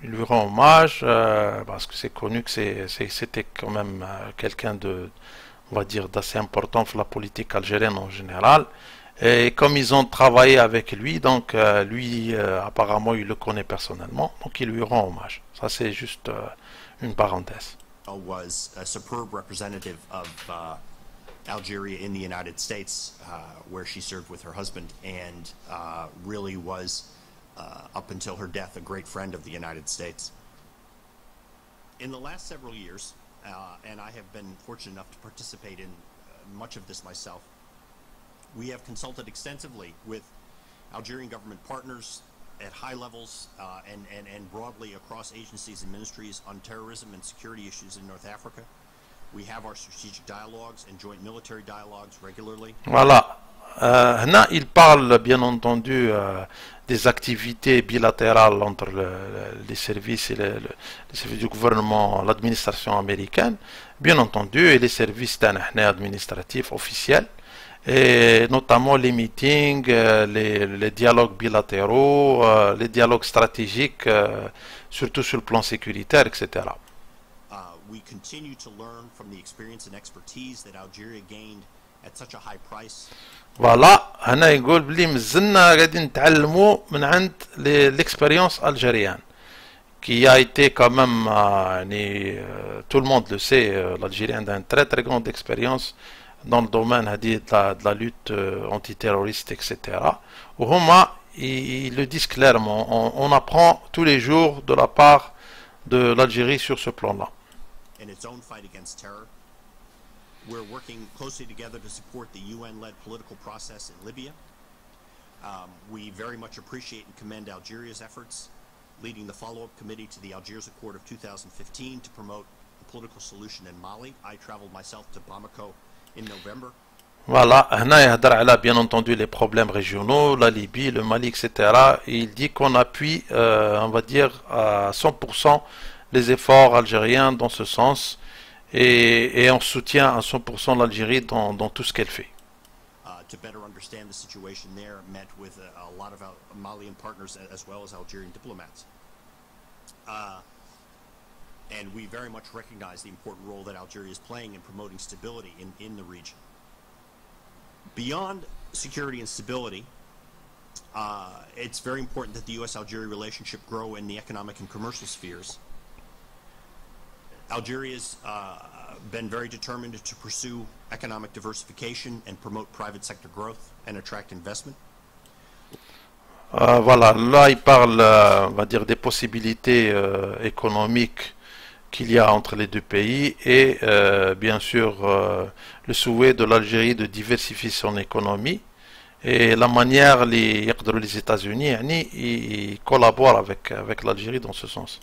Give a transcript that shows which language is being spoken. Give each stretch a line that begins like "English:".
French: Il lui rend hommage parce que c'est connu que c'était quand même quelqu'un de, on va dire, d'assez important pour la politique algérienne en général. Et comme ils ont travaillé avec lui, donc lui, apparemment, il le connaît personnellement, donc il lui rend hommage. Ça, c'est juste une parenthèse.
English: Was a superb representative of Algeria in the United States, where she served with her husband, and really was, up until her death, a great friend of the United States. In the last several years, and I have been fortunate enough to participate in much of this myself, we have consulted extensively with Algerian government partners at high levels, and broadly across agencies and ministries on terrorism and security issues in North Africa. We have our strategic dialogues and joint military dialogues regularly.
French: Voilà. Là, il parle bien entendu des activités bilatérales entre les services et les services du gouvernement, l'administration américaine, bien entendu, et les services administratifs officiels, et notamment les meetings, les dialogues bilatéraux, les dialogues stratégiques, surtout sur le plan sécuritaire, etc.
English: We continue to learn from the experience and expertise that Algeria gained at such a high price.
Arabic: Voilà, هنا يقول بلي مازلنا غادي نتعلمو من عند ليكسبيريونس الجيريان.
French: qui a été quand même, tout le monde le sait, l'Algérie a une très très grande expérience dans le domaine de la lutte antiterroriste, etc. Ouhouma, il le disent clairement, on apprend tous les jours de la part de l'Algérie sur ce plan-là.
English: In its own fight against terror. We're working closely together to support the UN-led political process in Libya. We very much appreciate and commend Algeria's efforts, leading the follow-up committee to the Algiers Accord of 2015 to promote a political solution in Mali. I traveled myself to Bamako in November.
French: Voilà, Hanaï Hadar a bien entendu les problèmes régionaux, la Libye, le Mali, etc. Et il dit qu'on appuie, on va dire, à 100% les efforts algériens dans ce sens et on soutient à 100% l'Algérie dans tout ce qu'elle fait.
English: To better understand the situation there, met with a lot of Malian partners as well as Algerian diplomats. And we very much recognize the important role that Algeria is playing in promoting stability in the region. Beyond security and stability, it's very important that the U.S.-Algeria relationship grow in the economic and commercial spheres. Algeria has been very determined to pursue economic diversification and promote private sector growth and attract investment.
French: Voilà, là il parle, on va dire, des possibilités économiques qu'il y a entre les deux pays et bien sûr le souhait de l'Algérie de diversifier son économie et la manière les États-Unis ils collaborent avec l'Algérie dans ce sens.